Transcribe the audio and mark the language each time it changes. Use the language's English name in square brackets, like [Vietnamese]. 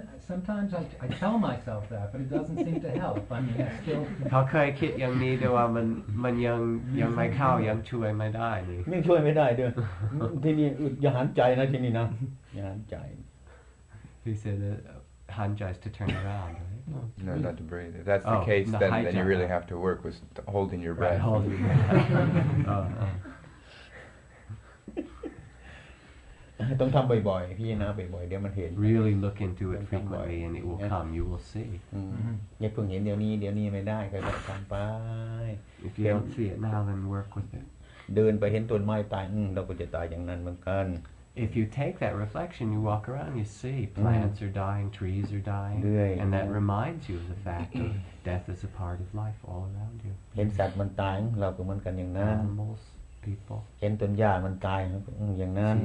[English] Sometimes I tell myself that, but it doesn't seem to help. I mean, I still. [Thai] ถ้าเคยคิดอย่างนี้เดี๋ยวมันยังไม่เข้ายังช่วยไม่ได้เล ยไม่ช่วยไม่ได้ด้วยที่นี่อย่าหันใจนะที่นี่นะอย่าหันใจ [English] He said that hand gesture is to turn around, right? No, not to breathe. If that's the case, then you really have to work with holding your breath. Right, holding your breath. [Thai] ต้องทำบ่อยๆพี่นะบ่อยๆเดี๋ยวมันเห็น [English] really look into it frequently and it will come you will see [Thai] อย่าเพิ่งเห็นเดี๋ยวนี้ไม่ได้ก็ต้องทำไป [English] if you don't see it now then work with it [Thai] เดินไปเห็นต้นไม้ตายเราก็จะตายอย่างนั้นเหมือนกัน [English] if you take that reflection you walk around you see plants are dying trees are dying and that reminds you of the fact of death is a part of life all around you [Thai] เห็นสัตว์มันตายเราก็เหมือนกันอย่างนั้นเห็นต้นหญ้ามันตายอย่างนั้น